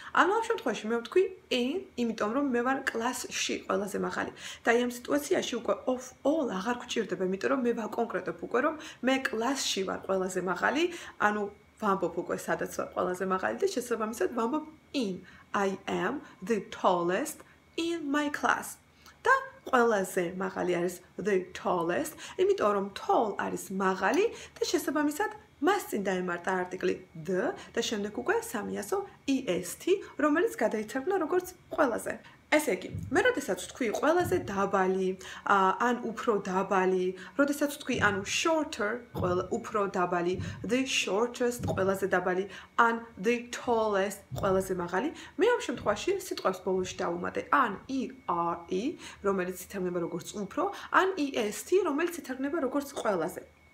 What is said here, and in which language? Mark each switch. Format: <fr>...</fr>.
<ka>ანუ ამ შემთხვევაში მე ვთქვი in, იმიტომ რომ მე ვარ კლასში, ყველაზე მაღალი. და ამ სიტუაციაში უკვე</ka> <en>of all</en> <ka>აღარ გვჭირდება, იმიტომ რომ მე ვაკონკრეტებ უკვე რომ მე კლასში ვარ ყველაზე მაღალი, ანუ ვამბობ უკვე სადაც ვარ ყველაზე მაღალი და შესაბამისად ვამბობ in.</ka> <en>I am the tallest in my class.</en> <ka>და ყველაზე მაღალი არის</ka> <en>the tallest,</en> <ka>იმიტომ რომ tall არის მაღალი და შესაბამისად მას წინ დაემართა არტიკლი the და შემდეგ უკვე სამიასო est, რომელიც გადაიცემა როგორც ყველაზე. ესე იგი, მე როდესაც ვთქვი ყველაზე დაბალი, ან უფრო დაბალი, როდესაც ვთქვი ანუ shorter, უფრო დაბალი,</ka> <en>the shortest,</en> <ka>ყველაზე დაბალი, ან</ka> <en>the tallest,</en> <ka>ყველაზე მაღალი, მე ამ შემთხვევაში სიტყვას ბოლოში დავუმატე ან ere, რომელიც ითარგმნება როგორც უფრო, ან est, რომელიც ითარგმნება როგორც ყველაზე.</ka>